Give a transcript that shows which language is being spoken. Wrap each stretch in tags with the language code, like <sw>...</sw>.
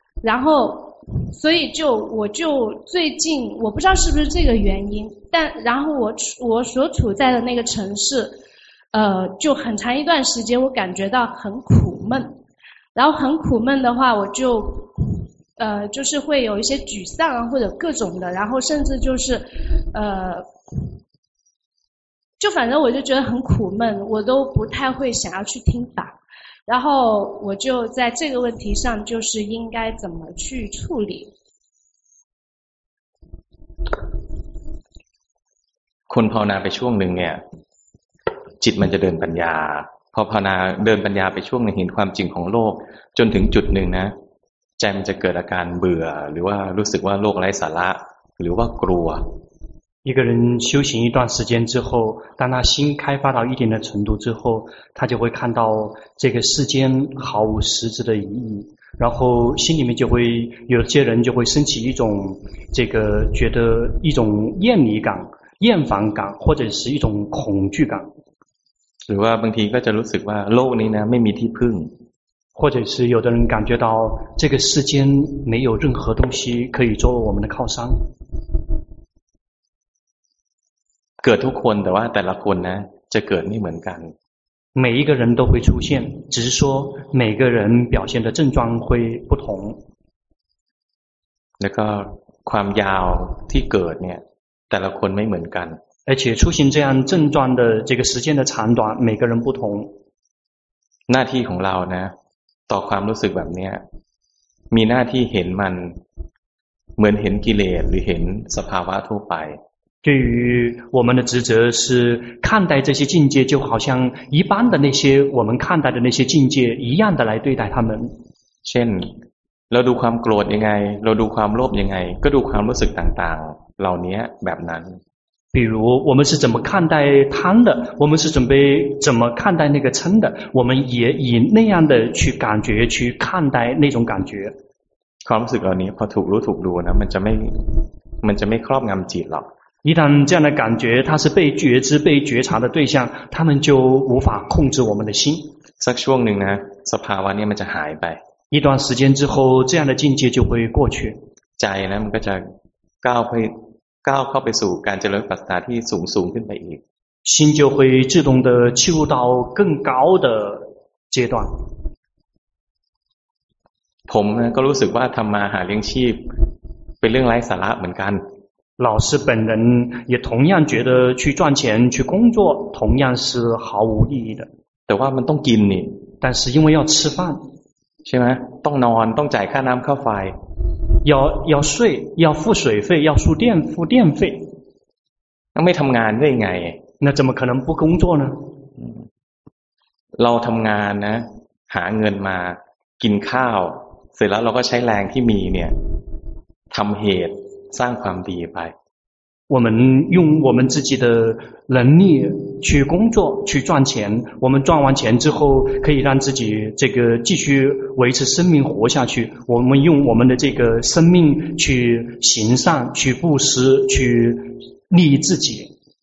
<zh>然后所以就我就最近我不知道是不是这个原因，但然后我所处在的那个城市，就很长一段时间我感觉到很苦闷，然后很苦闷的话我就就是会有一些沮丧啊或者各种的，然后甚至就是就反正我就觉得很苦闷，我都不太会想要去听法。然后我就在这个问题上，就是应该怎么去处理？</zh> <th>คนภาวนาไปช่วงหนึ่งเนี่ยจิตมันจะเดินปัญญาพอภาวนาเดินปัญญาไปช่วงหนึ่งเห็นความจริงของโลกจนถึงจุดหนึ่งนะใจมันจะเกิดอาการเบื่อหรือว่ารู้สึกว่าโลกไร้สาระหรือว่ากลัว</th> <zh>一个人修行一段时间之后，当他心开发到一定的程度之后，他就会看到这个世间毫无实质的意义，然后心里面就会有些人就会升起一种这个觉得一种厌离感、厌烦感，或者是一种恐惧感。</zh> <th>หรือว่าบางทีก็จะรู้สึกว่าโลกนี้นะไม่มีที่พึ่ง，</th> <zh>或者是有的人感觉到这个世间没有任何东西可以作为我们的靠山。</zh> <th>เกิดทุกคนแต่ว่าแต่ละคนนะจะเกิดไม่เหมือนกัน</th> <zh>每一个人都会出现只是说每个人表现的症状会不同</zh> <th>แล้วก็ความยาวที่เกิดเนี่ยแต่ละคนไม่เหมือนกัน</th> <zh>而且出现这样症状的这个时间的长短每个人不同</zh> <th>หน้าที่ของเรานะต่อความรู้สึกแบบเนี้ยมีหน้าที่เห็นมันเหมือนเห็นกิเลสหรือเห็นสภาวะทั่วไป</th> <zh>对于我们的职责是看待这些境界就好像一般的那些我们看待的那些境界一样的来对待他们</zh> <th>เช่นเราดูความโกรธยังไงเราดูความโลภยังไงก็ดูความรู้สึกต่างๆเหล่านี้แบบนั้น</th> <zh>比如我们是怎么看待贪的我们是怎么看待那个嗔的我们也以那样的去感觉去看待那种感觉</zh> <th>ความรู้สึกเหล่านี้พอถูกรู้ถูกดูนะมันจะไม่ครอบงำจิตหรอก</th> <zh>一旦这样的感觉它是被觉知被觉察的对象他们就无法控制我们的心</zh> <th>สักช่วงหนึ่งนะสภาวะนี้มันจะหายไป</th> <zh>一段时间之后这样的境界就会过去</zh> <th>ใจนะมันก็จะก้าวเข้าไปสู่การเจริญปัสสนาที่สูงสูงขึ้นไปอีก</th> <zh>心就会自动的进入到更高的阶段</zh> <th>ผมก็รู้สึกว่าทำมาหาเลี้ยงชีพเป็นเรื่องไร้สาระเหมือนกัน</th> <zh>老师本人也同样觉得去赚钱去工作同样是毫无意义的</zh> <th>แต่ว่ามันต้องกินนี่</th> <zh>但是因为要吃饭</zh> <th>ใช่ไหมต้องนอนต้องจ่ายค่าน้ำค่าไฟ</th> <zh>要睡要付水费要付电费</zh> <th>ต้องไม่ทำงานได้ไง</th> <zh>那怎么可能不工作呢</zh> <th>เราทำงานนะหาเงินมากินข้าวเสร็จแล้วเราก็ใช้แรงที่มีเนี่ยทำเหตุสร้างความดีไป</th> <zh>我们用我们自己的能力去工作去赚钱我们赚完钱之后可以让自己这个继续维持生命活下去我们用我们的这个生命去行善去布施去利益自己</zh>